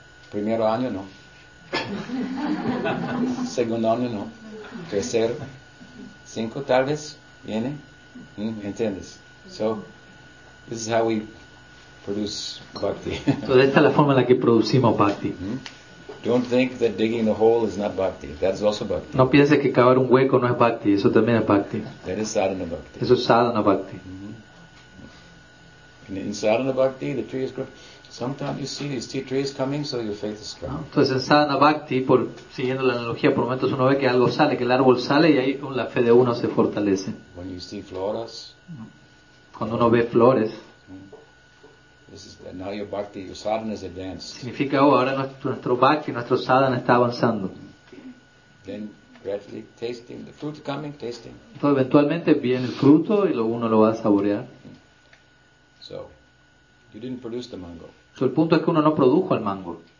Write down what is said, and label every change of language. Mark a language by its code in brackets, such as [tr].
[es] Primero año no. Segundo año no. Tercer, cinco tal vez viene. ¿Entiendes? [en] So, this is how we produce bhakti. [es] Entonces esta es la forma en la que producimos bhakti. [en] Don't think that digging a hole is not bhakti. That's also bhakti. [es] No pienses que cavar un hueco no es bhakti. Eso también es bhakti. [en] That is sadhana bhakti. [es] Eso es sadhana bhakti. [en] In sadhana bhakti, the tree is growing. Sometimes you see these tea trees coming, so your faith is strong. [es] Entonces en sadhana bhakti, por siguiendo la analogía, por momentos uno ve que algo sale, que el árbol sale, y ahí la fe de uno se fortalece. [en] When you see flores, [es] cuando uno ve flores, [en] this is now your bhakti, your sadhana is advanced. [es] Significa, oh, ahora nuestro bhakti, nuestro sadhana está avanzando. [en] Then gradually tasting the fruit coming, tasting. [es] Entonces eventualmente viene el fruto y luego uno lo va a saborear. [en] So. You didn't produce the mango. [es] So el punto es que uno no produjo el mango.